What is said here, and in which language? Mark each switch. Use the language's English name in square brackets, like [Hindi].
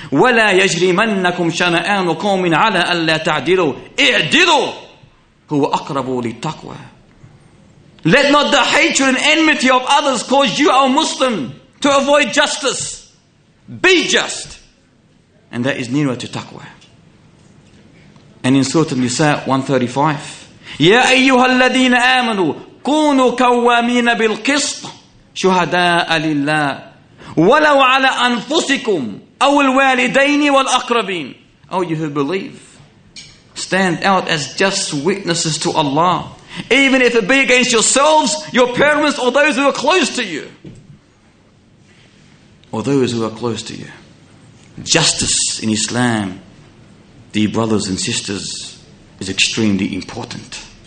[Arabic] وَلَا يَجْرِمَنَّكُمْ شَنَآنُ قَوْمٍ عَلَىٰ أَلَّا تَعْدِلُوا اِعْدِلُوا هُوَ أَقْرَبُوا لِلتَّقْوَىٰ. [English] Let not the hatred and enmity of others cause you, O Muslim, to avoid justice. Be just. And that is nearer to taqwa. And in Surah An-Nisa 135, [Arabic] يَا أَيُّهَا الَّذِينَ آمَنُوا كُونُوا كَوَّامِينَ بِالْقِسْطِ شُهَدَاءَ لِلَّهِ وَلَوْ عَلَىٰ أَنفُسِكُمْ أَوْ الْوَالِدَيْنِ وَالْأَقْرَبِينَ. [English] Oh, you who believe, stand out as just witnesses to Allah, even if it be against yourselves, your parents, or those who are close to you. Or those who are close to you. Justice in Islam, dear brothers and sisters, is extremely important.